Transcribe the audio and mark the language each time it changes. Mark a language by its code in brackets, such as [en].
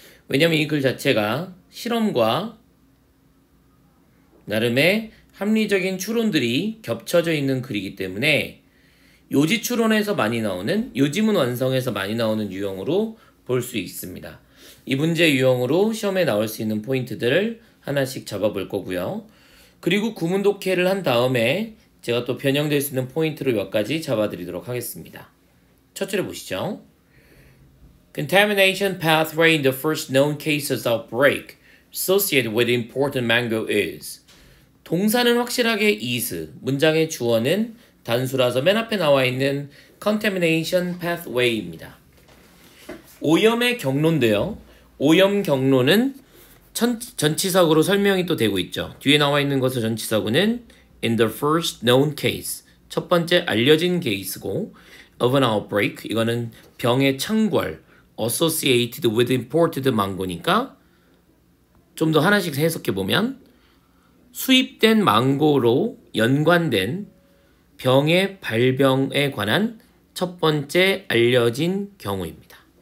[ko] 왜냐면 이글 자체가 실험과 나름의 합리적인 추론들이 겹쳐져 있는 글이기 때문에 요지 추론에서 많이 나오는, 요지문 완성에서 많이 나오는 유형으로 볼수 있습니다. 이 문제 유형으로 시험에 나올 수 있는 포인트들을 하나씩 잡아볼 거고요. 그리고 구문독해를 한 다음에 제가 또 변형될 수 있는 포인트를 몇 가지 잡아드리도록 하겠습니다. 첫째로 보시죠. [en] Contamination pathway in the first known cases outbreak associated with imported mango is. [ko] 동사는 확실하게 is, 문장의 주어는 단수라서 맨 앞에 나와 있는 contamination pathway입니다. 오염의 경로인데요. 오염 경로는 전치사구로 설명이 또 되고 있죠. 뒤에 나와 있는 것을 전치사구는 [en] in the first known case, [ko] 첫 번째 알려진 케이스고, of an outbreak, 이거는 병의 창궐, [en] associated with imported mango [ko] 니까, 좀더 하나씩 해석해 보면, 수입된 망고로 연관된 병의 발병에 관한 첫 번째 알려진 경우입니다.